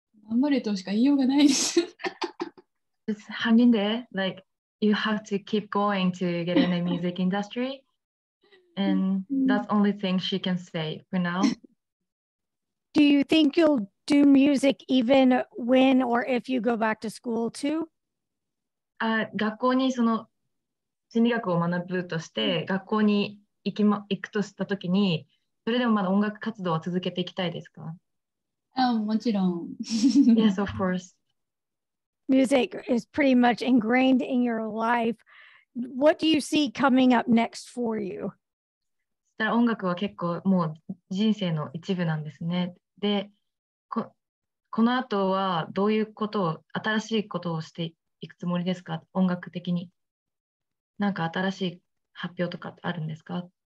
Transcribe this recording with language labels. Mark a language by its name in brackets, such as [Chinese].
[Japanese] 頑張れとしか言いようがないです [English] Just hang in there. Like, you have to keep going to get in the music industry. And that's the only thing she can say for now. Do you think you'll do music even when or if you go back to school too? [Japanese] 学校にその心理学を学ぶとして、学校に行くとしたときに、それでもまだ音楽活動は続けていきたいですか？もちろん。 [English] Yes, of course. Music is pretty much ingrained in your life. What do you see coming up next for you? [Japanese] 音楽は結構もう人生の一部なんですね。で、この後はどういうことを、新しいことをしていくつもりですか？音楽的に。なんか新しい発表とかあるんですか？